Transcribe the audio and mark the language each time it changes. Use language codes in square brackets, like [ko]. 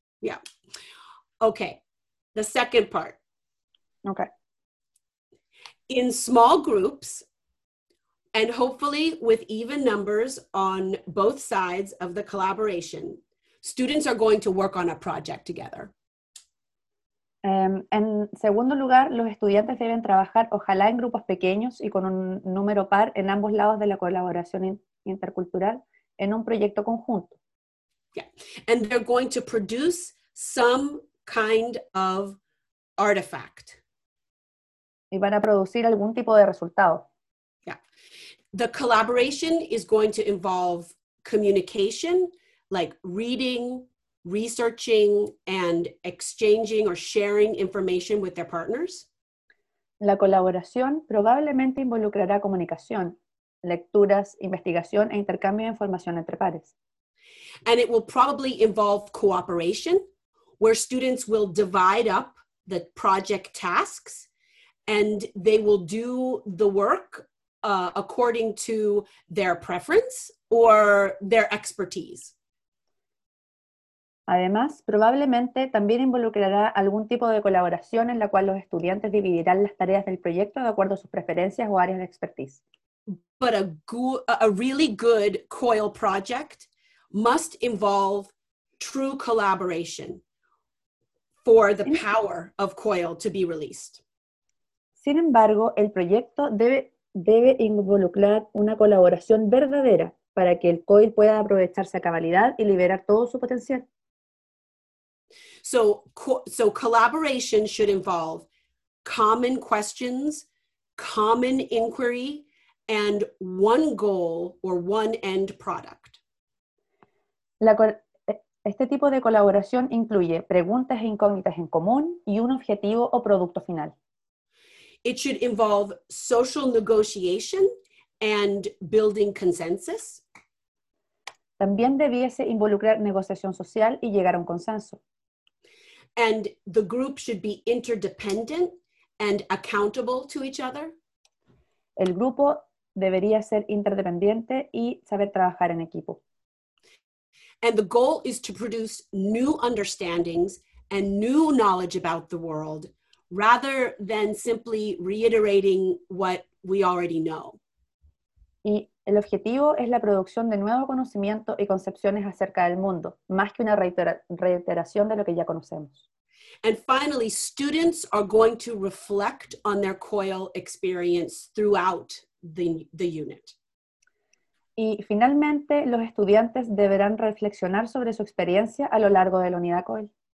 [en] Yeah. Okay, the second part. Okay. In small groups, and hopefully with even numbers on both sides of the collaboration, students are going to work on a project together. [es] En segundo lugar, los estudiantes deben trabajar, ojalá en grupos pequeños y con un número par en ambos lados de la colaboración intercultural, en un proyecto conjunto. [en] Yeah, and they're going to produce some kind of artifact. [es] Y van a producir algún tipo de resultado. [en] Yeah. The collaboration is going to involve communication, like reading, researching, and exchanging or sharing information with their partners. [es] La colaboración probablemente involucrará comunicación, lecturas, investigación e intercambio de información entre pares. [en] And it will probably involve cooperation, where students will divide up the project tasks, and they will do the work according to their preference or their expertise. [es] Además, probablemente también involucrará algún tipo de colaboración en la cual los estudiantes dividirán las tareas del proyecto de acuerdo a sus preferencias o áreas de expertise. [en] But a really good COIL project must involve true collaboration for the power of COIL to be released. [es] Sin embargo, el proyecto debe involucrar una colaboración verdadera para que el COIL pueda aprovecharse a cabalidad y liberar todo su potencial. [en] So collaboration should involve common questions, common inquiry, and one goal or one end product. [es] Este tipo de colaboración incluye preguntas e incógnitas en común y un objetivo o producto final. [en] It should involve social negotiation and building consensus. [es] También debiese involucrar negociación social y llegar a un consenso. [en] And the group should be interdependent and accountable to each other. [es] El grupo debería ser interdependiente y saber trabajar en equipo. [en] And the goal is to produce new understandings and new knowledge about the world, rather than simply reiterating what we already know. [es] Y el objetivo es la producción de nuevo conocimiento y concepciones acerca del mundo, más que una reiteración de lo que ya conocemos. [en] And finally, students are going to reflect on their COIL experience throughout the unit. [es] Y finalmente, los estudiantes deberán reflexionar sobre su experiencia a lo largo de la unidad COIL.